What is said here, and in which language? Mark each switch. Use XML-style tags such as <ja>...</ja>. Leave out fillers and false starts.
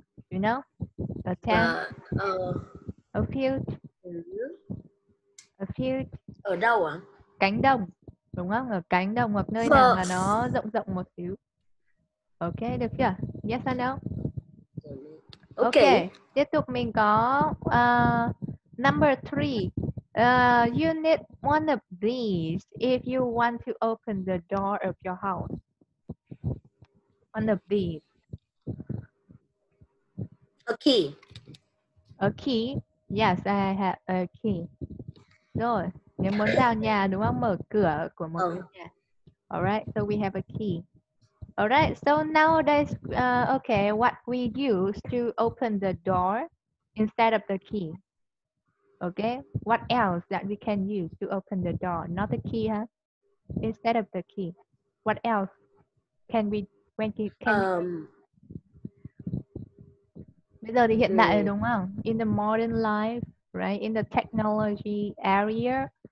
<en>You know? A tent. A field. A field.</en> <vi>Ở đâu ạ? Cánh đồng. Đúng không? Ở cánh đồng hoặc nơi nào mà nó rộng rộng một xíu.</vi> <en>Ok,</en> <vi>được chưa?</vi> <en>Yes or no? Okay.</en> <vi>Ok, tiếp tục mình có</vi> <en>number 3. You need one of these if you want to open the door of your house. One of these. A key. A key. Yes, I have a key. rồi.</en> <vi>Nếu muốn vào nhà đúng không? Mở cửa của một ừ. nhà.</vi> <en>Alright, so we have a key. Alright, so nowadays, okay, what we use to open the door instead of the key. Okay, what else that we can use to open the door? Not the key, huh? Instead of the key. What else can we, when can</en> <vi>bây giờ thì hiện đại rồi đúng không?</vi> <en>In the modern life, right? In the technology area.</en>